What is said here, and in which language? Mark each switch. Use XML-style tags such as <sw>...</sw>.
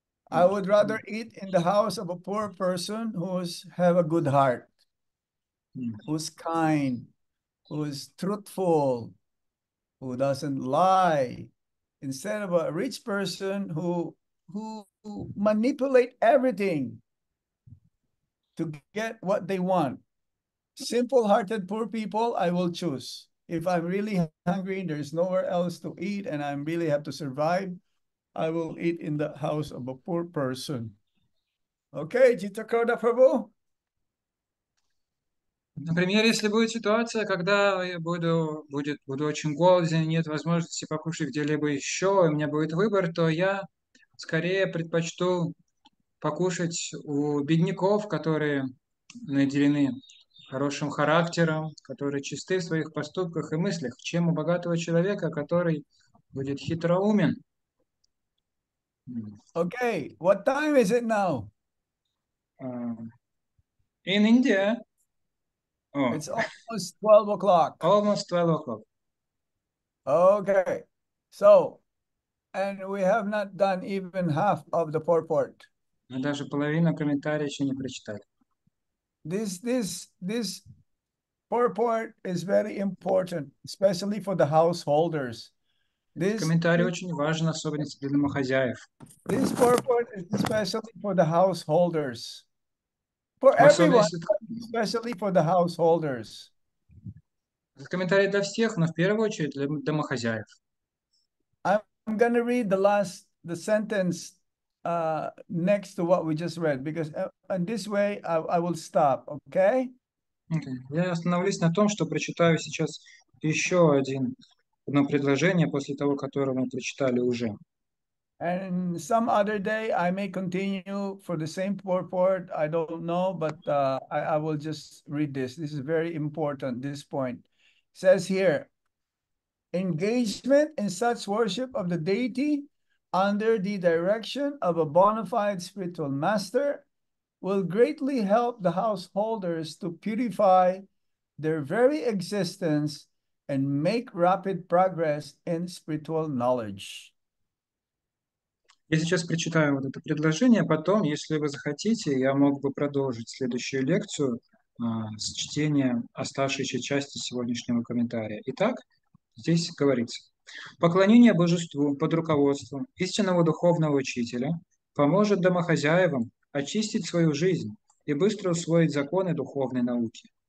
<en>I would rather eat in the house of a poor person who's have a good heart, who's kind, who's truthful, who doesn't lie, instead of a rich person who manipulate everything to get what they want. Simple-hearted poor people, I will choose. If I'm really hungry and there's nowhere else to eat and I really have to survive, I will eat in the house of a poor person. Okay, Jitra Koda Prabhu?</en> <ru>Например, если будет ситуация, когда я буду очень голоден, нет возможности покушать где-либо еще, у меня будет выбор, то я скорее предпочту покушать у бедняков, которые наделены хорошим характером, которые чисты в своих поступках и мыслях, чем у богатого человека, который будет хитроумен.</ru> <en>Okay, what time is it now? In India. Oh. It's almost 12 o'clock. Almost 12 o'clock. Okay, so, and we have not done even half of the purport.</en> <ru>Мы даже половину комментария еще не прочитали.</ru> <en>This purport is very important, especially for the householders. This</en> <ru>комментарий очень важен, особенно для домохозяев.</ru> <en>This purport is especially for the householders. For everyone, especially for the householders.</en> <ru>Этот комментарий для всех, но в первую очередь для домохозяев.</ru> <en>I'm going to read the sentence next to what we just read, because in this way I will stop, okay?</en> <ru>Okay. Я остановлюсь на том, что прочитаю сейчас еще одно предложение после того, которое мы прочитали уже.</ru> <en>And some other day I may continue for the same purport, I don't know, but I will just read this. This is very important, this point. It says here, engagement in such worship of the deity under the direction of a bona fide spiritual master will greatly help the householders to purify their very existence and make rapid progress in spiritual knowledge.</en> <ru>Я сейчас прочитаю вот это предложение, потом, если вы захотите, я мог бы продолжить следующую лекцию с чтением оставшейся части сегодняшнего комментария. Итак, здесь говорится. Поклонение божеству под руководством истинного духовного учителя поможет домохозяевам очистить свою жизнь и быстро усвоить законы духовной науки.</ru>